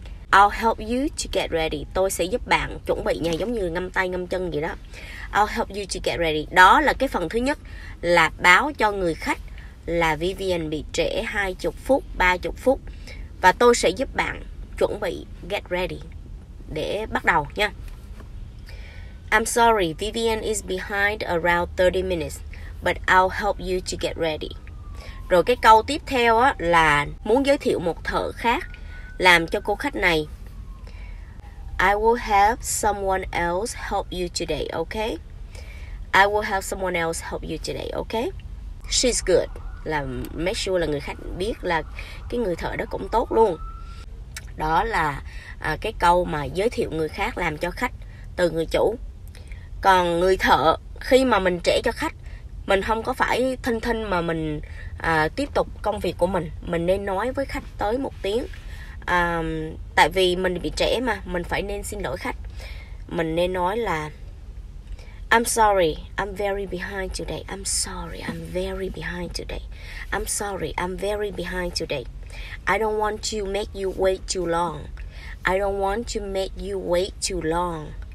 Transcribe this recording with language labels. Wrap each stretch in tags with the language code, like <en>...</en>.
<en>I'll help you to get ready.</en> <vi>Tôi sẽ giúp bạn chuẩn bị nha, giống như ngâm tay ngâm chân vậy đó.</vi> <en>I'll help you to get ready.</en> <vi>Đó là cái phần thứ nhất, là báo cho người khách là Vivian bị trễ 20 phút, 30 phút, và tôi sẽ giúp bạn chuẩn bị</vi> <en>get ready</en> <vi>để bắt đầu nha.</vi> <en>I'm sorry, Vivian is behind around 30 minutes, but I'll help you to get ready.</en> <vi>Rồi cái câu tiếp theo á, là muốn giới thiệu một thợ khác làm cho cô khách này.</vi> <en>I will have someone else help you today, okay? I will have someone else help you today, okay? She's good.</en> <vi>Là</vi> <en>make sure</en> <vi>là người khách biết là cái người thợ đó cũng tốt luôn. Đó là cái câu mà giới thiệu người khác làm cho khách từ người chủ. Còn người thợ, khi mà mình trễ cho khách, mình không có phải thinh thinh mà mình tiếp tục công việc của mình. Mình nên nói với khách tới một tiếng. Tại vì mình bị trễ mà, mình phải nên xin lỗi khách. Mình nên nói là</vi> <en>I'm sorry, I'm very behind today. I'm sorry, I'm very behind today. I'm sorry, I'm very behind today. I don't want to make you wait too long. I don't want to make you wait too long.</en>